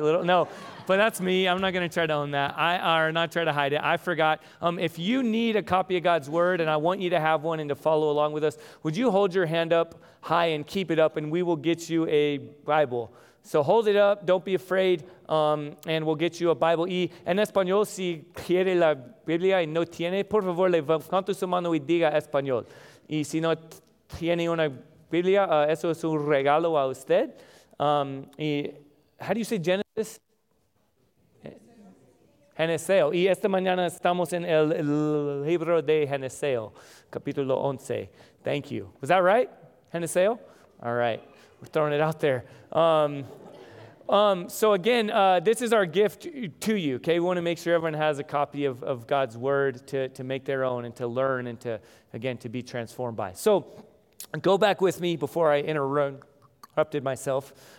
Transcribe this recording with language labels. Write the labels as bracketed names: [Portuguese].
[English] But that's me. I'm not going to try to own that. Or not try to hide it. I forgot. If you need a copy of God's Word, and I want you to have one and to follow along with us, would you hold your hand up high and keep it up, and we will get you a Bible. So hold it up. Don't be afraid. And we'll get you a Bible. [Spanish] Y en español, si quiere la Biblia y no tiene, por favor, levante su mano y diga español. Y si no tiene una Biblia, eso es un regalo a usted. [English] How do you say Genesis? [Spanish] Geneseo. Y esta mañana estamos en el libro de Geneseo, capítulo 11. [English] Thank you. Was that right? Geneseo? All right. We're throwing it out there. So again, this is our gift to you, okay? We want to make sure everyone has a copy of God's Word to make their own and to learn and to, again, to be transformed by. So go back with me before I interrupted myself.